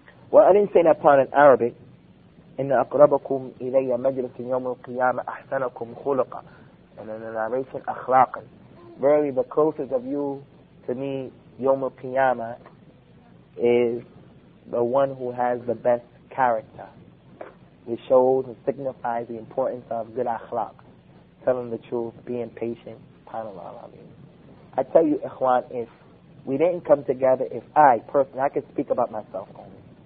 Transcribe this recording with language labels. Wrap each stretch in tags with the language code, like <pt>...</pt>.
<en>Well, I didn't say that part in Arabic.</en> <ar>إِنَّ أَقْرَبَكُمْ إِلَيَّ مَجْلِسٍ يَوْمُ الْقِيَامَةِ أَحْسَنَكُمْ خُلُقًا</ar> <en>and in the narration,</en> <ar>أَخْلَاقًا.</ar> <en>Verily, the closest of you to me,</en> <ar>يوم القيامة,</ar> <en>is the one who has the best character. It shows and signifies the importance of good akhlaq. Telling the truth, being patient. I tell you, Ikhwan, if we didn't come together, if I, personally, I could speak about myself only.</en>